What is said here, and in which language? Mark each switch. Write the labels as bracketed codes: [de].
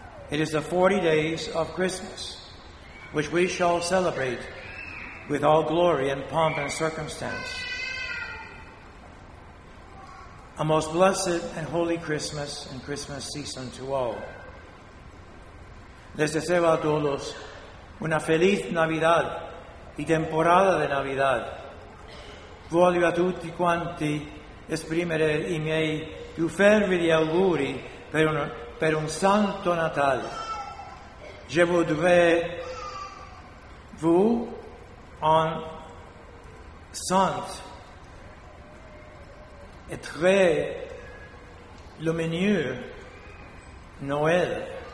[en] It is the 40 days of Christmas, which we shall celebrate with all glory and pomp and circumstance. A most blessed and holy Christmas and Christmas season to all. [es] Les deseo a todos una feliz Navidad y temporada de Navidad. [it] Voglio a tutti quanti esprimere i miei più fervidi auguri per un santo Natale. [fr] Je voudrais vous un sainte et très lumineux Noël.